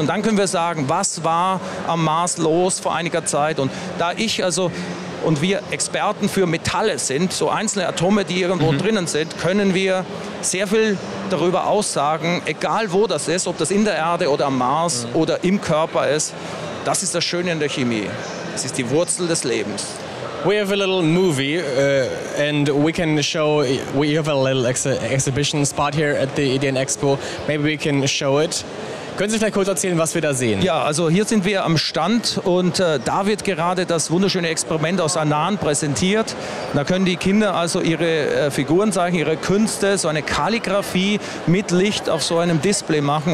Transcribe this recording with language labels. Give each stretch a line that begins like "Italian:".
German: Und dann können wir sagen, was war am Mars los vor einiger Zeit. Und da ich also... Und wir Experten für Metalle sind, so einzelne Atome, die irgendwo drinnen sind, können wir sehr viel darüber aussagen, egal wo das ist, ob das in der Erde oder am Mars oder im Körper ist. Das ist das Schöne in der Chemie. Es ist die Wurzel des Lebens.
English: We have a little movie and we can show, we have a little exhibition spot here at the EDN Expo. Maybe we can show it.
German: Können Sie vielleicht kurz erzählen, was wir da sehen? Ja, also hier sind wir am Stand und da wird gerade das wunderschöne Experiment aus Anan präsentiert. Da können die Kinder also ihre Figuren zeichnen, ihre Künste, so eine Kalligrafie mit Licht auf so einem Display machen.